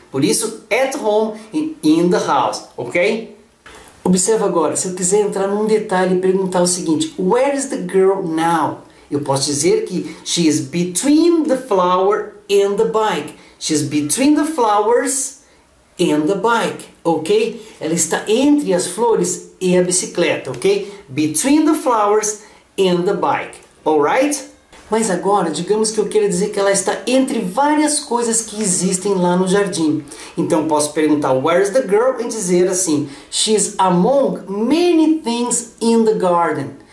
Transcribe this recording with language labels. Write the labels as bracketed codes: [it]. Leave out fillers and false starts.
[pt] Por isso, [en] at home e in the house, ok? [pt] Observa agora, se eu quiser entrar num detalhe e perguntar o seguinte, [en] where is the girl now? [pt] Eu posso dizer que [en] she is between the flower and the bike. She is between the flowers and the bike, ok? [pt] Ela está entre as flores e a bicicleta, ok? [en] Between the flowers and the bike, alright? [pt] Mas agora, digamos que eu queira dizer que ela está entre várias coisas que existem lá no jardim. Então, posso perguntar, [en] where is the girl? [pt] E dizer assim, [en] she's among many things in the garden.